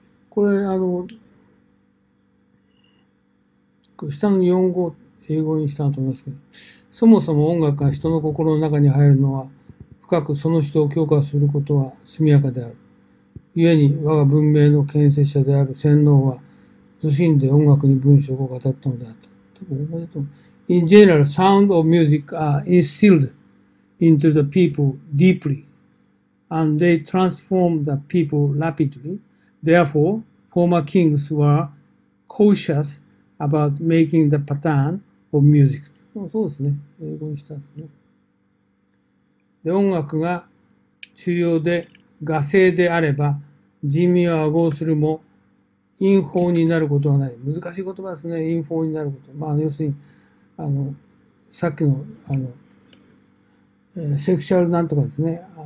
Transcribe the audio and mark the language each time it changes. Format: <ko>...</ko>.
<ja>これ、下の4語、英語にしたと思いますけど、そもそも音楽が人の心の中に入るのは、深くその人を強化することは速やかである。故に我が文明の建設者である先老は、謹んで音楽に文章を語ったのであった。</ja> <en>In general, sound of music are instilled into the people deeply, and they transform the people rapidly. Therefore, former kings were cautious about making the pattern of music.</en> <ja>そうですね。英語にしたんですね。で、音楽が中庸で画聖であれば、人民は和合するも、陰謀になることはない。難しい言葉ですね。陰謀になること、まあ要するに、さっきの、セクシャルなんとかですね。</ja>